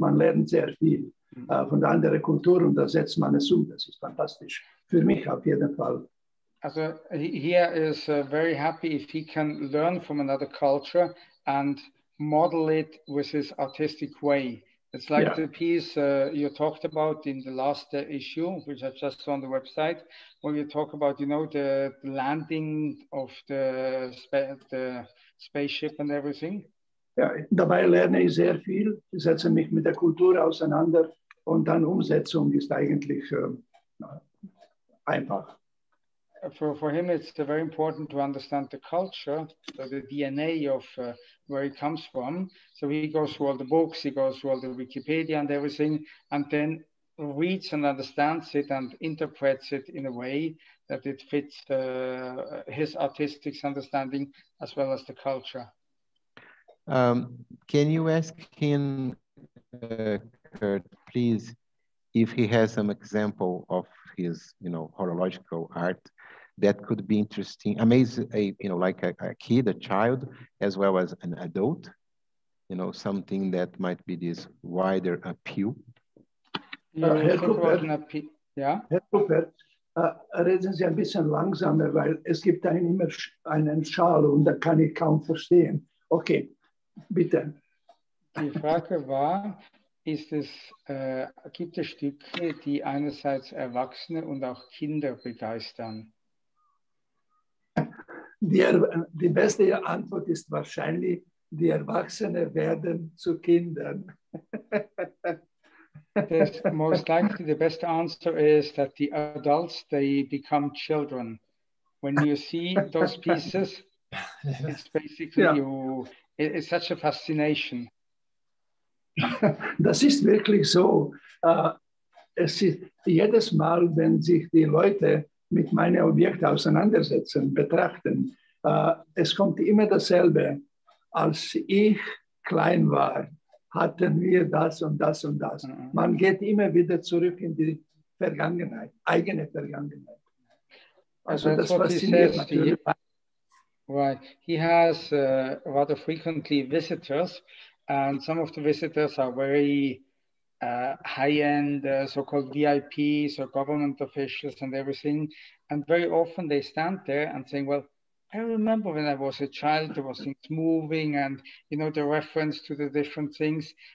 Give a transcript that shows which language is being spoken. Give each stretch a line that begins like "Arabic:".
German: Man lernt sehr viel von der anderen Kultur und da setzt man es um. Das ist fantastisch. Für mich auf jeden Fall.
English: Also he is very happy if he can learn from another culture and model it with his artistic way. It's like the piece you talked about in the last issue, which I just saw on the website, when you talk about, you know, the landing of the spaceship and everything.
German: Ja, dabei lerne ich sehr viel, setze mich mit der Kultur auseinander und dann Umsetzung ist eigentlich einfach.
English: For him, it's very important to understand the culture, the DNA of where he comes from. So he goes through all the books, he goes through all the Wikipedia and everything, and then reads and understands it and interprets it in a way that it fits his artistic understanding as well as the culture. Can you ask him, record, please, if he has some example of his, you know, horological art, that could be interesting, amazing, you know, like a kid, a child, as well as an adult, you know, something that might be this wider appeal.
German: Reden Sie ein bisschen langsamer, weil es gibt einen immer einen Schall und da kann ich kaum verstehen. Okay, bitte. Die Frage war, ist es, gibt es Stücke, die einerseits Erwachsene und auch Kinder begeistern? Die beste Antwort ist wahrscheinlich, die Erwachsene werden zu Kindern.
English: Most likely the best answer is that the adults, they become children. When you see those pieces, it's basically yeah. It's such a fascination.
German: Das ist wirklich so. Es ist jedes Mal, wenn sich die Leute mit meinen Objekten auseinandersetzen, betrachten, es kommt immer dasselbe. Als ich klein war, hatten wir das und das und das. Man geht immer wieder zurück in die Vergangenheit, eigene Vergangenheit. Also that's das fasziniert natürlich.
English: Right. He has rather frequently visitors, and some of the visitors are very high-end, so-called VIPs or government officials and everything. And very often they stand there and saying, well, I remember when I was a child, there was things moving and, you know, the reference to the different things.